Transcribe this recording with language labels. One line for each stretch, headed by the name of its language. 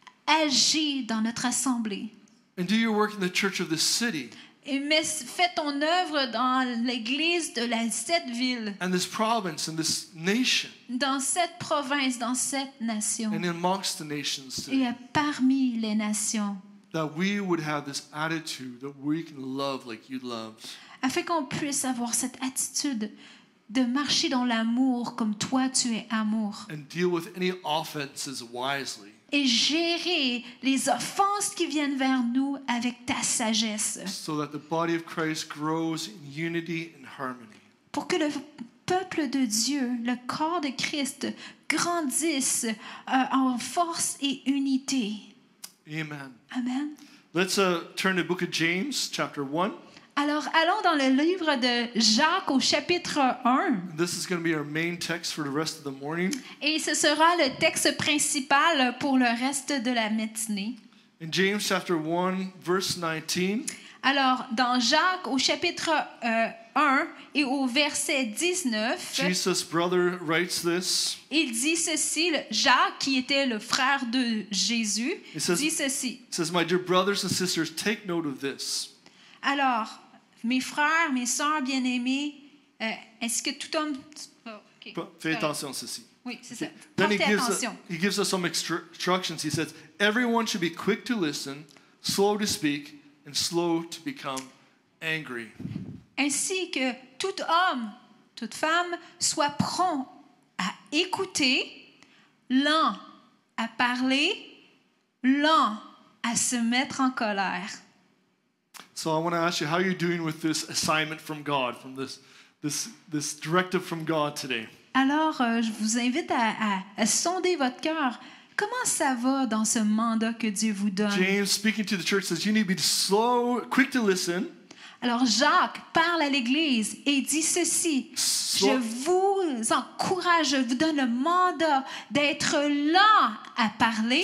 French: Agis dans notre assemblée.
English: And do your work in the church of this city.
French: Et fais ton œuvre dans l'église de cette ville.
English: And this province and this nation.
French: Dans cette province, dans cette nation.
English: And amongst the nations.
French: Et parmi les nations.
English: That we would have this attitude that we can love like you loved.
French: Afin qu'on puisse avoir cette attitude de marcher dans l'amour comme toi tu es amour.
English: And deal with any offenses wisely.
French: Et gérer les offenses qui viennent vers nous avec ta sagesse.
English: So that the body of Christ grows in unity and harmony.
French: Pour que le peuple de Dieu, le corps de Christ, grandisse en force et unité.
English: Amen.
French: Amen.
English: Let's turn to the book of James, chapter 1.
French: Alors, allons dans le livre de Jacques au chapitre 1.
English: This is going to be our main text for the rest of the morning.
French: Et ce sera le texte principal pour le reste de la matinée.
English: In James chapter 1, verse 19.
French: Alors, dans Jacques au chapitre 1 et au verset 19,
English: Jesus' brother writes this.
French: Il dit ceci, Jacques, qui était le frère de Jésus, dit ceci.
English: It says, my dear brothers and sisters, take note of this.
French: Alors, mes frères, mes sœurs bien-aimés, est-ce que tout homme...
English: Oh, okay.
French: Fais attention à ceci. Oui, c'est okay. Ça. Then
English: he gives us some instructions. He says, everyone should be quick to listen, slow to speak, and slow to become angry.
French: Ainsi que tout homme, toute femme, soit prompt à écouter, lent à parler, lent à se mettre en colère.
English: So I want to ask you, how are you doing with this assignment from God, from this directive from God today?
French: Alors, je vous invite à sonder votre cœur. Comment ça va dans ce mandat que Dieu vous donne?
English: James, speaking to the church, says you need to be slow, quick to listen.
French: Alors Jacques parle à l'Église et dit ceci. Je vous encourage, je vous donne le mandat d'être lent à parler.